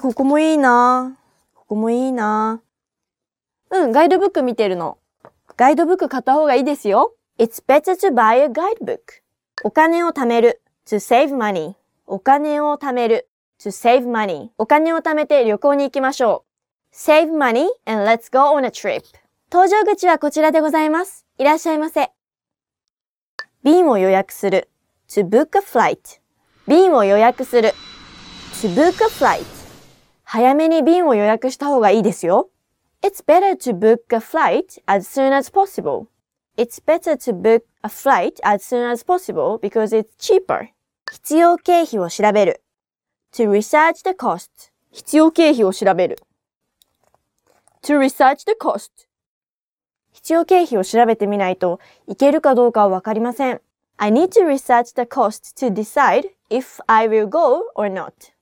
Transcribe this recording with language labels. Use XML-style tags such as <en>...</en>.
<ja>ここもいいな。ここもいいな。ガイドブック見てるの。ガイドブック買った方がいいですよ。</ja> <en>It's better to buy a guidebook.</en> <ja>お金を貯める。</ja> <en>To save money.</en> <ja>お金を貯める。</ja> <en>To save money.</en> <ja>お金を貯めて旅行に行きましょう。</ja> <en>Save money and let's go on a trip.</en> <ja>搭乗口はこちらでございます。いらっしゃいませ。便を予約する。</ja> <en>To book a flight. 便を予約する。To book a flight.</en> <ja>早めに便を予約した方がいいですよ。</ja> <en>It's better to book a flight as soon as possible. It's better to book a flight as soon as possible because it's cheaper.</en> <ja>必要経費を調べる。</ja> <en>To research the cost.</en> <ja>必要経費を調べる。</ja> <en>To research the cost.</en> <ja>必要経費を調べてみないと、行けるかどうかはわかりません。</ja> <en>I need to research the cost to decide if I will go or not.</en>